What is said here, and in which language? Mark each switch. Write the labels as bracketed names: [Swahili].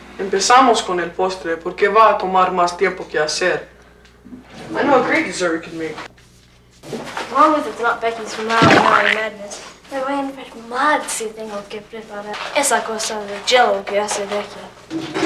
[Spanish] Empezamos con el postre porque va a tomar más tiempo que hacer. [English] I know a great dessert we can make. As long as it's not Becky's from Wild Wild Madness. [Spanish] Me voy a enfermar mad si tengo que preparar esa cosa de jello que hace Becky.